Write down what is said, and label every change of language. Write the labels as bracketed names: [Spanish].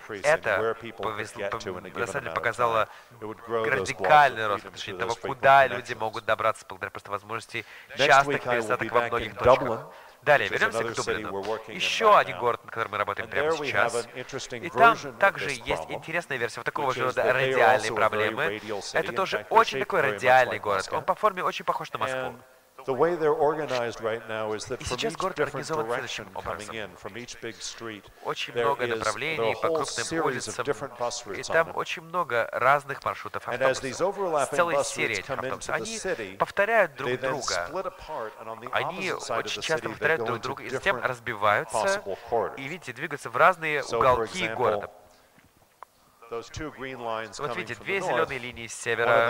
[Russian] Это, на самом деле, показало радикальный рост отношений того, куда люди могут добраться благодаря просто возможности частых пересадок во многих точках. Далее, вернемся к Дублину. Еще один город, на котором мы работаем прямо сейчас. И там также есть интересная версия вот такого же рода радиальной проблемы. Это тоже очень такой радиальный город. Он по форме очень похож на Москву. [English] The way they're organized right now is that from each different direction coming in, from each big street, there is a whole series of different bus routes. [Russian] И там очень много разных маршрутов автобусов. С целой серией автобусов. Они повторяют друг друга. Они очень часто повторяют друг друга и затем разбиваются. И видите, двигаются в разные уголки города. Вот видите, две зеленые линии с севера.